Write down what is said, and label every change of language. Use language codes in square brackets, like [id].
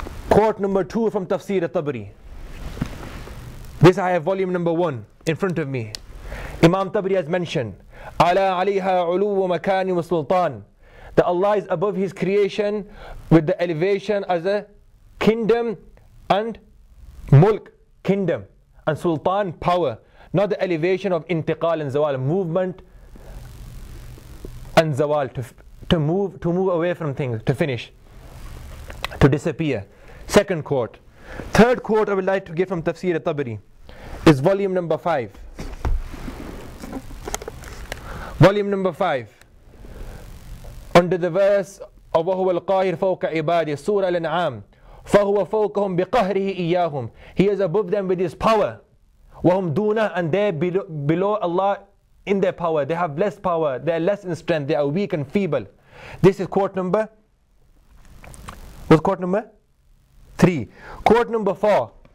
[en] Quote number two from Tafsir al-Tabari. This I have volume number one in front of me. Imam Tabari has mentioned [ar] عَلَىٰ عَلِيْهَا عُلُوُّ وَمَكَانِ وَسُلْطَانِ. [en] That Allah is above his creation with the elevation as a kingdom and mulk, kingdom, and sultan, power. Not the elevation of intiqal and zawal, movement and zawal, to move away from things, to finish, to disappear. Second quote. Third quote I would like to give from Tafsir al-Tabari is volume number 5. Volume number 5. Under the verse of [ar] وهو القاهر فوق عباده سورة الأنعام فهو فوقهم بقهره إياهم. [en] He is above them with his power. [ar] وهم دونه, [en] and they below Allah in their power. They have less power. They are less in strength. They are weak and feeble. This is quote number. What's quote number? 3. Quote number 4.